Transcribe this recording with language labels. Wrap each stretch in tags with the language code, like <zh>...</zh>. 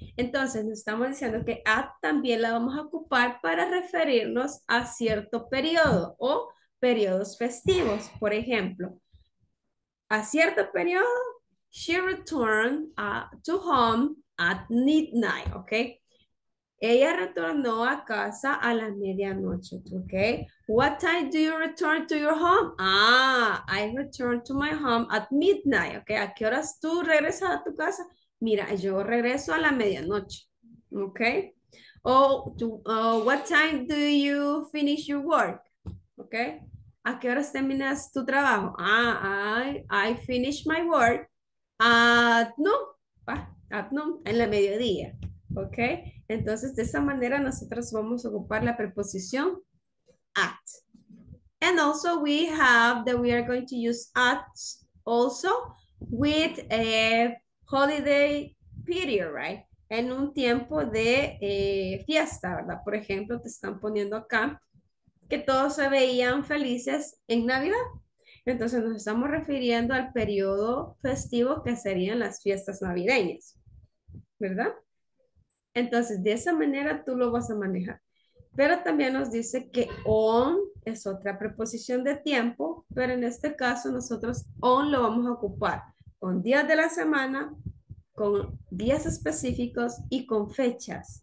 <es>Entonces, nos estamos diciendo que at también la vamos a ocupar para referirnos a cierto periodo o periodos festivos. Por ejemplo, a cierto periodo,</es> <en>she returned to home at midnight, ¿ok?</en> <es>Ella retornó a casa a la medianoche, ¿ok?</es> <en>What time do you return to your home? Ah, I return to my home at midnight, ¿ok?</en> <es>¿A qué horas tú regresas a tu casa? Mira, yo regreso a la medianoche,</es> <en>¿ok? What time do you finish your work? ¿Ok?</en> <es>¿A qué horas terminas tu trabajo?</es> <en>Ah, I finish my work at noon,</en> <es>en la mediodía,</es> <en>¿ok?</en> <es>Entonces, de esa manera, nosotros vamos a ocupar la preposición at.</es> <en>And also, we are going to use at also with a holiday period, right?</en> <es>En un tiempo de fiesta, ¿verdad? Por ejemplo, te están poniendo acá que todos se veían felices en Navidad. Entonces, nos estamos refiriendo al periodo festivo que serían las fiestas navideñas, ¿verdad? Entonces, de esa manera tú lo vas a manejar. Pero también nos dice que on es otra preposición de tiempo, pero en este caso nosotros on lo vamos a ocupar con días de la semana, con días específicos y con fechas.</es>